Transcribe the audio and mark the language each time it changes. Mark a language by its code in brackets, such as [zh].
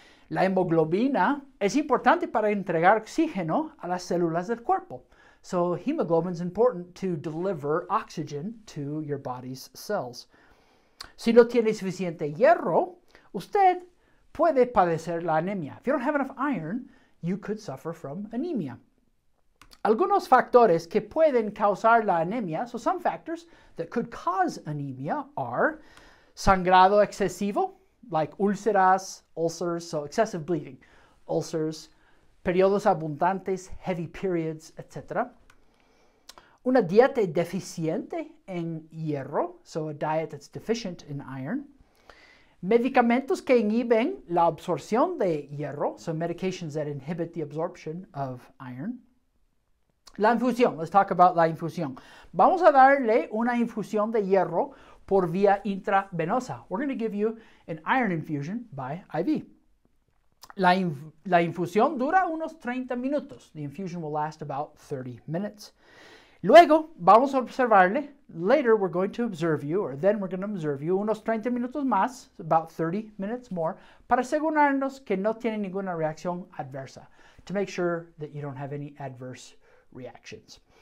[es] La hemoglobina es importante para entregar oxígeno a las células del cuerpo. [en] So hemoglobin is important to deliver oxygen to your body's cells. [es] Si no tiene suficiente hierro, usted puede padecer la anemia. [en] If you don't have enough iron, you could suffer from anemia. [es] Algunos factores que pueden causar la anemia, [en] so some factors that could cause anemia are [es] sangrado excesivo, [en] like [es] úlceras, [en] ulcers, so excessive bleeding, ulcers, [es] periodos abundantes, [en] heavy periods, etc. [es] Una dieta deficiente en hierro, [en] so a diet that's deficient in iron. [es] Medicamentos que inhiben la absorción de hierro, [en] so medications that inhibit the absorption of iron. [es] La infusión. [en] Let's talk about [es] la infusión. Vamos a darle una infusión de hierro por vía intravenosa. [en] We're going to give you an iron infusion by IV. [es] La infusión dura unos 30 minutos. [en] The infusion will last about 30 minutes. [es] Luego, vamos a observarle. [en] Later, we're going to observe you, or then we're going to observe you [es] unos 30 minutos más, [en] about 30 minutes more, [es] para asegurarnos que no tiene ninguna reacción adversa, [en] to make sure that you don't have any adverse reactions.